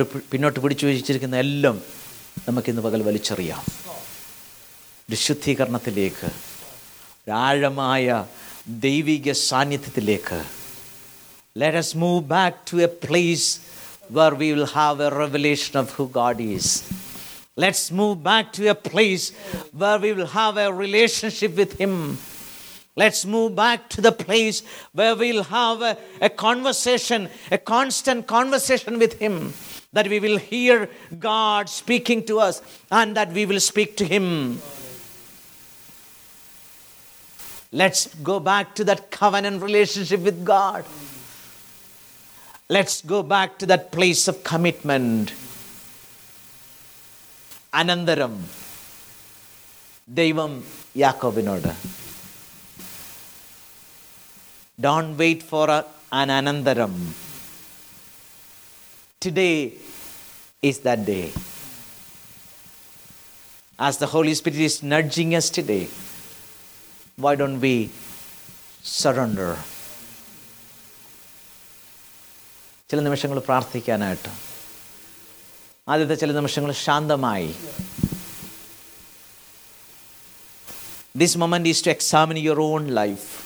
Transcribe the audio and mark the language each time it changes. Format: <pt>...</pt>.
<ml>പിന്നോട്ട് പിടിച്ചു വെച്ചിരിക്കുന്ന എല്ലാം നമുക്കിന്ന് പകൽ വലിച്ചെറിയാം. വിശുദ്ധീകരണത്തിലേക്ക്, ഒരാഴമായ ദൈവിക സാന്നിധ്യത്തിലേക്ക്.</ml> <en>Let us move back to a place where we will have a revelation of who God is. Let's move back to a place where we will have a relationship with Him. Let's move back to the place where we will have a conversation, a constant conversation with Him, that we will hear God speaking to us and that we will speak to Him. Let's go back to that covenant relationship with God. Let's go back to that place of commitment.</en> <ml>Anandaram Devam Yaakovinoda.</ml> <en>Don't wait for an anandaram. Today is that day. As the Holy Spirit is nudging us today, why don't we surrender?</en> <ml>ചില നിമിഷങ്ങൾ പ്രാർത്ഥിക്കാനായിട്ട്, ആദ്യത്തെ ചില നിമിഷങ്ങൾ ശാന്തമായി.</ml> <en>This moment is to examine your own life.</en>